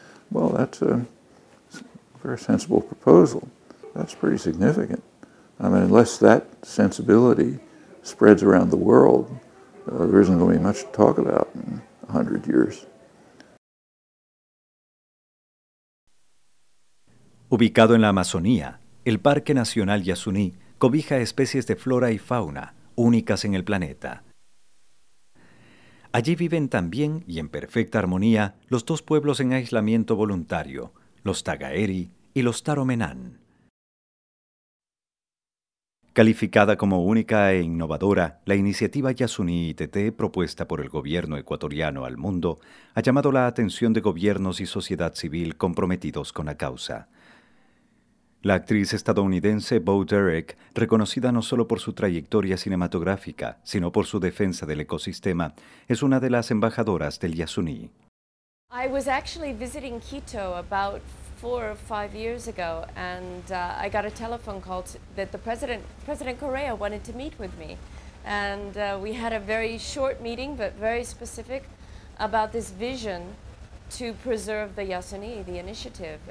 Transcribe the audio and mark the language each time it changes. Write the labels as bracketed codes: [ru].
[en] Well, that's a very sensible proposal. That's pretty significant. I mean, unless that sensibility spreads around the world, there isn't going to be much to talk about in 100 years. [es] Ubicado en la Amazonía, el Parque Nacional Yasuní cobija especies de flora y fauna únicas en el planeta. Allí viven también y en perfecta armonía los dos pueblos en aislamiento voluntario, los Tagaeri y los Taromenán. Calificada como única e innovadora, la iniciativa Yasuní ITT propuesta por el gobierno ecuatoriano al mundo ha llamado la atención de gobiernos y sociedad civil comprometidos con la causa. La actriz estadounidense Bo Derek, reconocida no solo por su trayectoria cinematográfica, sino por su defensa del ecosistema, es una de las embajadoras del Yasuní. [en] I was actually visiting Quito about 4 or 5 years ago, and I got a telephone call that the President Correa wanted to meet with me. And we had a very short meeting, but very specific, about this vision to preserve the Yasuní, the initiative.